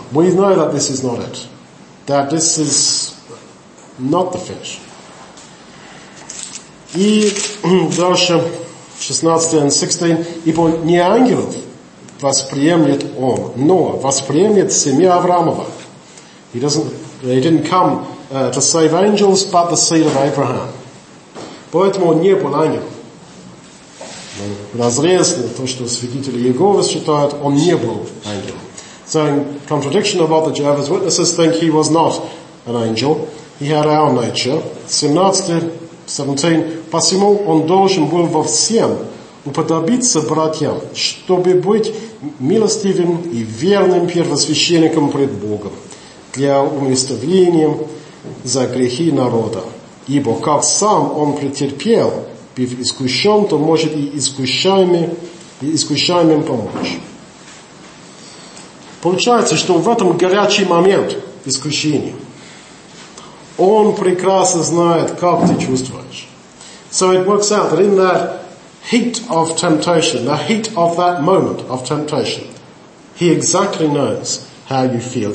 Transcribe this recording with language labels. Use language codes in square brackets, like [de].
[en] We know that this is not it, that this is not the finish. [ru] И дальше, 16 and 16, ибо не ангелов восприемлет он, но восприемлет семья Авраамова. [en] He didn't come to save angels, but the seed of Abraham. [ru] Поэтому он не был ангелом. Разрез на то, что свидетели Иеговы считают, он не был ангелом. [en] So in contradiction of what the Jehovah's Witnesses think, he was not an angel. He had our nature. 17. [ru] Посему он должен был во всем уподобиться братьям, чтобы быть милостивым и верным первосвященником пред Богом для умиротворения за грехи народа. Ибо как сам он претерпел, быв искушен, то может и искушаемым помочь. Получается, что в этом горячий момент искушения он прекрасно знает, как ты чувствуешь. [en] So it works out that in that heat of temptation, the heat of that moment of temptation, he exactly knows how you feel.